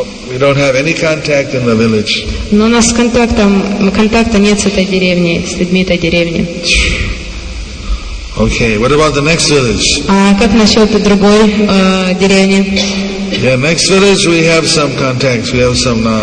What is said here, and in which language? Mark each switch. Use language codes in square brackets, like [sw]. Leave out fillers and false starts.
[en] We don't have any contact in the village. [ru] Но у нас контакта нет с этой деревней, с людьми этой деревни. [en] Okay, what about the next village? [ru] А как насчет другой деревни? [en] Yeah, next village we have some contacts, we have some